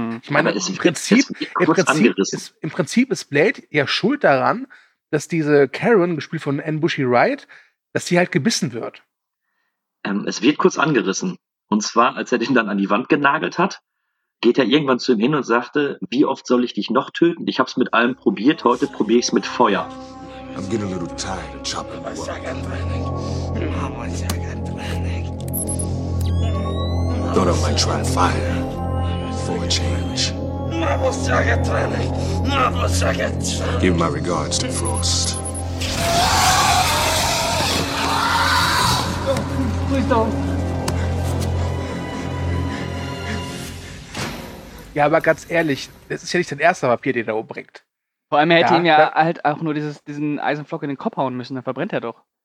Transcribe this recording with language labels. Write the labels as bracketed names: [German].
[German] Ich meine, im Prinzip ist Blade ja schuld daran, dass diese Karen, gespielt von Anne Bushy Wright, dass sie halt gebissen wird. Es wird kurz angerissen. Und zwar, als er den dann an die Wand genagelt hat, geht er irgendwann zu ihm hin und sagte, wie oft soll ich dich noch töten? Ich hab's mit allem probiert, heute probiere ich's mit Feuer. [English] I'm getting a little tired of chopping my second planning. Thought I might try fire for a change. Give my regards to Frost. Please don't. [German] Ja, aber ganz ehrlich, das ist ja nicht dein erster Vampir, den er umbringt. Vor allem, er hätte ihm ja halt auch nur diesen Eisenflock in den Kopf hauen müssen, dann verbrennt er doch.